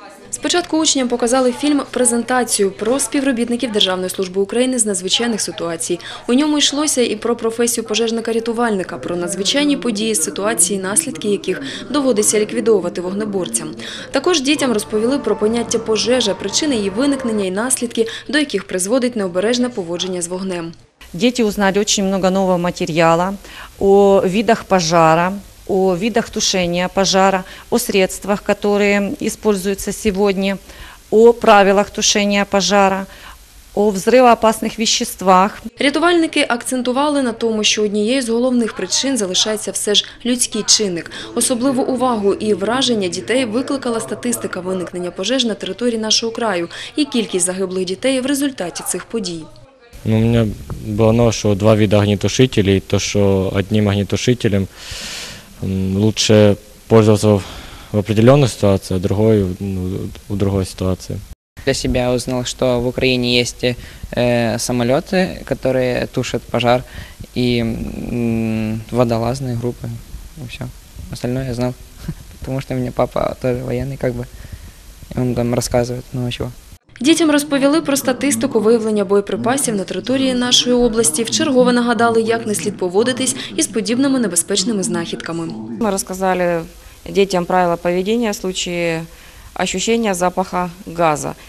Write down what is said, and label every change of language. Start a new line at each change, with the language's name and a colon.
Ukrainian: Спочатку учням показали фільм-презентацію про співробітників Державної служби України з надзвичайних ситуацій. У ньому йшлося і про професію пожежника-рятувальника, про надзвичайні події, ситуації, наслідки яких доводиться ліквідовувати вогнеборцям. Також дітям розповіли про поняття пожежа, причини її виникнення і наслідки, до яких призводить необережне поводження з вогнем. Діти узнали дуже багато нового матеріалу,
Russian: о видах пожежі, о видах тушения пожара, о средствах, которые используются сегодня, о правилах тушения пожара, о взрывоопасных веществах.
Ukrainian: Рятувальники акцентували на тому, що однією з головних причин залишається все ж людський чинник. Особливу увагу і враження дітей викликала статистика виникнення пожеж на території нашого краю і кількість загиблих дітей в результаті цих подій.
Russian: У мене було оно, що два види огнетушителей, то, що одним огнетушителем лучше пользоваться в определенной ситуации, а другой у другой ситуации. Для себя узнал, что в Украине есть самолеты, которые тушат пожар, и водолазные группы, и все. Остальное я знал, потому что у меня папа тоже военный, как бы, и он там рассказывает много чего.
Ukrainian: Дітям розповіли про статистику виявлення боєприпасів на території нашої області. Вчергове нагадали, як не слід поводитись із подібними небезпечними знахідками. Ми розказали дітям правила поведення в случае відчуття запаху газу.